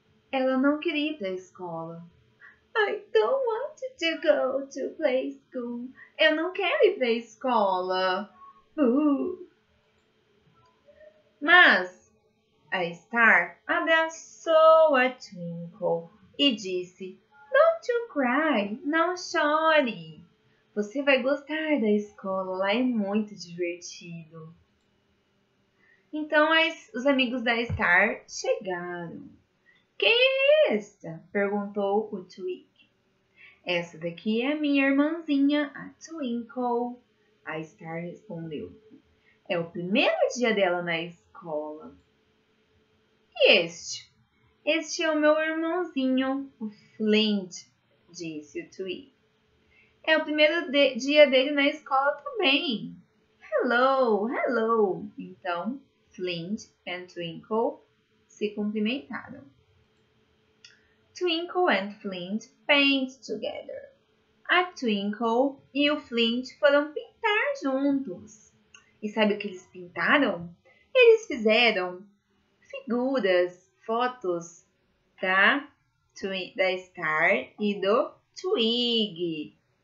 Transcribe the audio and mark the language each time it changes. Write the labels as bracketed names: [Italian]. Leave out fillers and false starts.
[Portuguese] Ela não queria ir para a escola. [English] I don't want to go to play school. [Portuguese] Eu não quero ir para a escola. Mas a Star abraçou a Twinkle e disse, [English] Don't you cry, [Portuguese] não chore. Você vai gostar da escola, lá é muito divertido. Então, os amigos da Star chegaram. Quem é esta? Perguntou o Twig. Essa daqui é a minha irmãzinha, a Twinkle. A Star respondeu. É o primeiro dia dela na escola. E este? Este é o meu irmãozinho, o Flint, disse o Twig. É o primeiro dia dele na escola também. [English] Hello, hello. [Portuguese] Então, Flint e Twinkle se cumprimentaram. [English] Twinkle and Flint paint together. [Portuguese] A Twinkle e o Flint foram pintar juntos. E sabe o que eles pintaram? Eles fizeram figuras, fotos da Star e do Twig.